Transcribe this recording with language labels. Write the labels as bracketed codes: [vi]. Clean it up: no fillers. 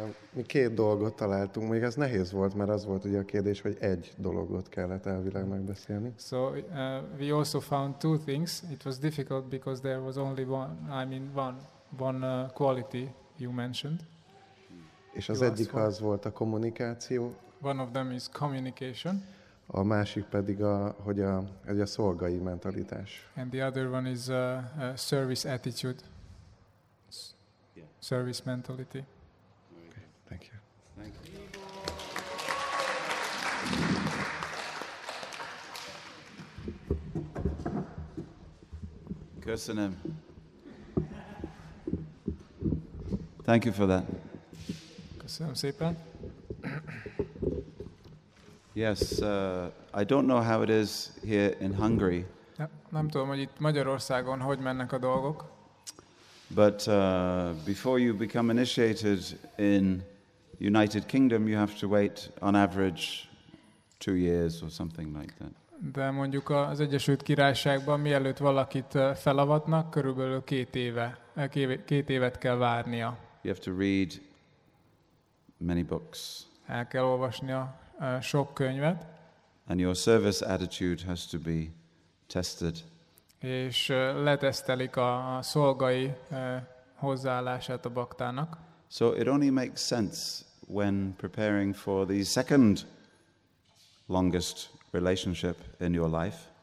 [hu] Mi két dolgot találtunk, még ez nehéz volt, mert az volt ugye a kérdés, hogy egy dologot kellett elvileg megbeszélni. [en] So we also found two things. It was difficult because there was only one, quality you mentioned. [hu] És az egyik az volt a kommunikáció. [en] One of them is communication. [hu] A másik pedig a, hogy a, egy a szolgai mentalitás. [en] And the other one is a service attitude. Service mentality. Thank you. Thank you. [hu] Köszönöm. [en] Thank you for that. [hu] Köszönöm szépen. [en] Yes, I don't know how it is here in Hungary. [hu] Nem tudom, hogy itt Magyarországon hogy mennek a dolgok. [en] But before you become initiated in United Kingdom, you have to wait on average 2 years or something like that. [hu] De mondjuk az Egyesült Királyságban, mielőtt valakit felavatnak, körülbelül két évet kell várnia. [en] You have to read many books. [hu] El kell olvasnia sok könyvet. [en] And your service attitude has to be tested. [hu] És letesztelik a szolgai hozzáállását a baktának. [en] So it only makes sense when preparing for the second longest relationship in your life.